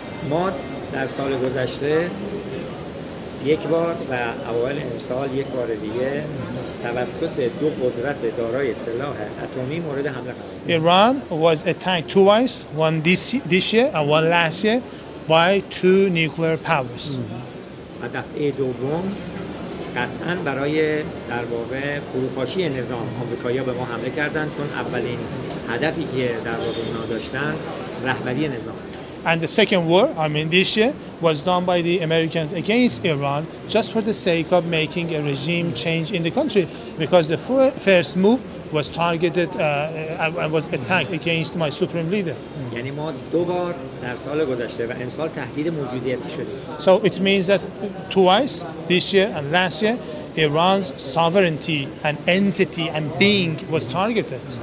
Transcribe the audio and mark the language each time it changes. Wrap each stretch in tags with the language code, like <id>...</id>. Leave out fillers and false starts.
<fa>ما در سال گذشته یک بار و اول امسال یک بار دیگه توسط دو قدرت دارای سلاح اتمی مورد حمله قرار گرفت.</fa> <en>Iran was attacked twice, one this year and one last year by two nuclear powers.</en> <fa>و دفعه دوم قطعاً برای در واقع فروپاشی نظام آمریکایی‌ها به ما حمله کردند، چون اولین هدفی که در واقع اونا داشتن رهبری نظام.</fa> <en>And the second war, I mean this year, was done by the Americans against Iran just for the sake of making a regime change in the country, because the first move was targeted and was attacked against my supreme leader. So it means that twice, this year and last year, Iran's sovereignty and entity and being was targeted.</en>